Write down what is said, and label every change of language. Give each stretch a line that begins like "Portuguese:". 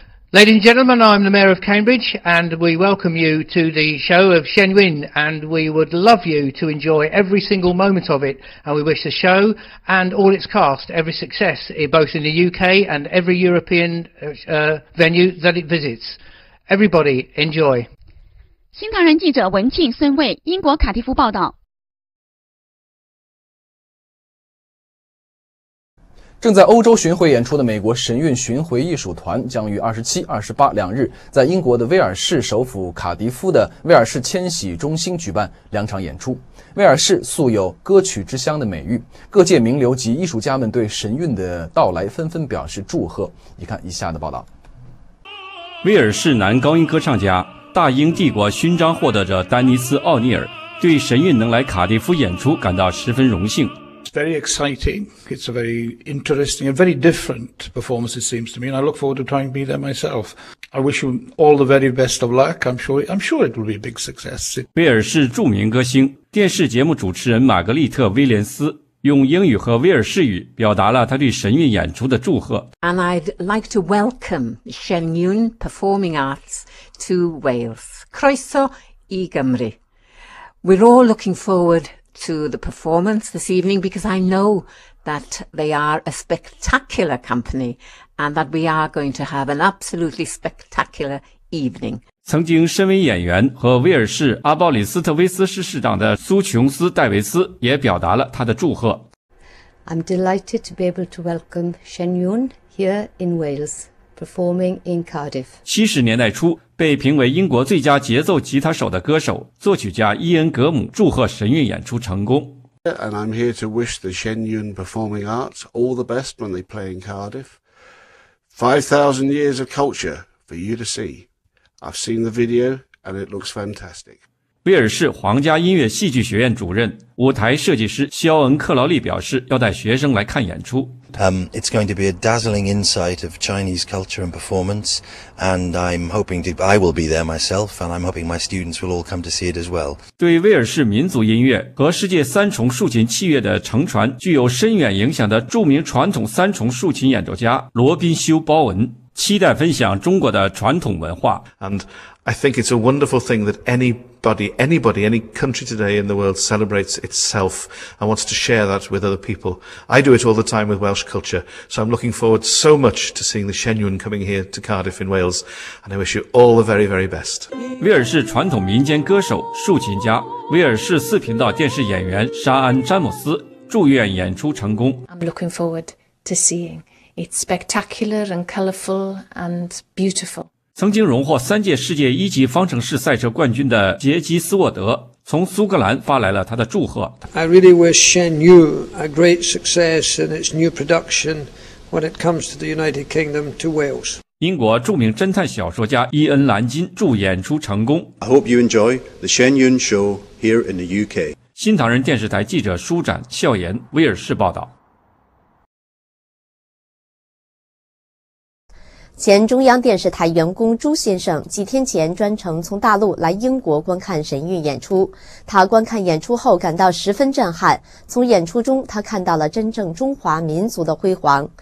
English: Ladies and gentlemen, I'm the Mayor of Cambridge, and we welcome you to the show of Shen Yun, and we would love you to enjoy every single moment of it, and we wish the show and all its cast every success, both in the UK and every European venue that it visits. Everybody, enjoy.
Chinese: 新唐人记者文俊、孙卫，英国卡迪夫报道。正在欧洲巡回演出的美国神韵巡回艺术团将于27、28两日在英国的威尔士首府卡迪夫的威尔士迁徙中心举办两场演出。威尔士素有歌曲之乡的美誉，各界名流及艺术家们对神韵的到来纷纷表示祝贺。你看以下的报道。威尔士男高音歌唱家、大英帝国勋章获得者丹尼斯·奥尼尔对神韵能来卡迪夫演出感到十分荣幸。
English: It's very exciting. It's a very interesting and very different performance, it seems to me, and I look forward to trying to be there myself. I wish you all the very best of luck. I'm sure it will be a big success.
Chinese: 威尔士著名歌星、电视节目主持人玛格丽特·威廉斯用英语和威尔士语表达了他对神韵演出的祝贺。
English: And I'd like to welcome Shen Yun Performing Arts to Wales.
Welsh: Croeso I Gymru.
English: We're all looking forward to the performance this evening because I know that they are a spectacular company and that we are going to have an absolutely spectacular evening.
Chinese: 曾经身为演员和威尔士阿鲍里斯特威斯市市长的苏琼斯·戴维斯也表达了他的祝贺。
English: I'm delighted to be able to welcome Shen Yun here in Wales, performing in Cardiff.
Chinese: 70年代初被评为英国最佳节奏吉他手的歌手、作曲家伊恩·格姆祝贺神韵演出成功。
English: And I'm here to wish the Shen Yun Performing Arts all the best when they play in Cardiff. 5,000 years of culture for you to see. I've seen the video and it looks fantastic.
Chinese: 威尔士皇家音乐戏剧学院主任、舞台设计师肖恩·克劳利表示，要带学生来看演出。
English: It's going to be a dazzling insight of Chinese culture and performance, and I will be there myself, and I'm hoping my students will all come to see it as well.
Chinese: 对威尔士民族音乐和世界三重竖琴器乐的承传具有深远影响的著名传统三重竖琴演奏家罗宾修·鲍恩，期待分享中国的传统文化。
English: And I think it's a wonderful thing that anybody, any country today in the world celebrates itself and wants to share that with other people. I do it all the time with Welsh culture, so I'm looking forward so much to seeing the Shen Yun coming here to Cardiff in Wales, and I wish you all the very, very best.
Chinese: 威尔士传统民间歌手、竖琴家、威尔士四频道电视演员沙安·詹姆斯祝愿演出成功。
English: I'm looking forward to seeing it spectacular and colorful and beautiful.
Chinese: 曾经荣获三届世界一级方程式赛车冠军的杰基斯沃德从苏格兰发来了他的祝贺。
English: I really wish Shen Yu a great success in its new production when it comes to the United Kingdom to Wales.
Chinese: 英国著名侦探小说家伊恩·兰金祝演出成功。
English: I hope you enjoy the Shen Yun show here in the UK.
Chinese: 新唐人电视台记者舒展、笑言，威尔士报道。前中央电视台员工朱先生几天前专程从大陆来英国观看神韵演出，他观看演出后感到十分震撼，从演出中他看到了真正中华民族的辉煌。